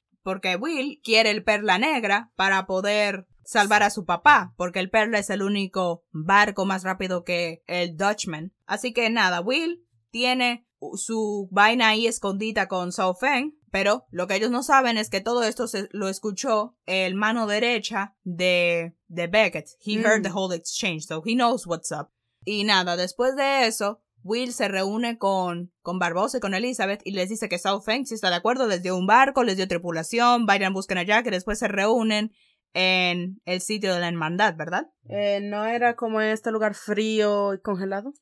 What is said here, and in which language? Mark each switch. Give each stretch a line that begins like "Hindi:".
Spanish: Porque Will quiere el Perla Negra para poder salvar a su papá, porque el Perla es el único barco más rápido que el Dutchman. Así que nada, Will tiene su vaina ahí escondida con Zhao Feng, pero lo que ellos no saben es que todo esto lo escuchó el mano derecha de Beckett.
English: He heard the whole exchange, so he knows what's up.
Spanish: Y nada, después de eso, Will se reúne con Barbosa y con Elizabeth y les dice que Zhao Feng sí está de acuerdo, les dio un barco, les dio tripulación, vayan, busquen a Jack y después se reúnen en el sitio de la hermandad, ¿verdad? ¿No era como en este lugar frío y congelado?